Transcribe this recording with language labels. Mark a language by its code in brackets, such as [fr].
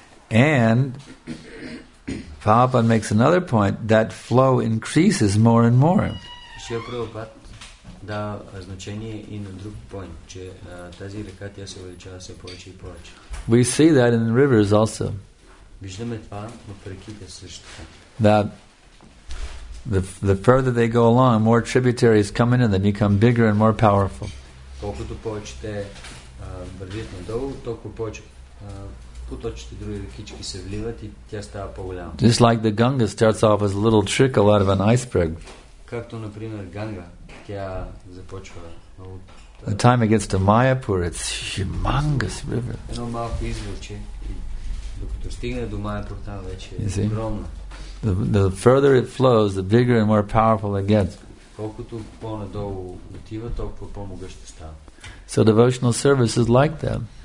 [en] And And Prabhupada makes another point, that flow increases more and more. [bg] Шрила Прабхупада да значение и на друг point, че тази река тя се увеличава все повече и повече. [en] We see that in the rivers also. [bg] Виждаме това в реките също. [en] That the further they go along, more tributaries come in and they become bigger and more powerful. [bg] Колкото повече те вървят надолу, толкова повече поточите други рекички се вливат и тя става по-голяма. [en] Just like the Ganga starts off as a little trickle out of an iceberg. [bg] Както например Ганга, тя започва от. [en] The time it gets to Mayapur, it's a humongous river. [bg] Едно малко извълче, докато стигне до Mayapur, там вече е огромна. [en] The further it flows, the bigger and more powerful it gets. [bg] Колкото по-надолу отива, толкова по-могъща става. [en] So devotional service is like that.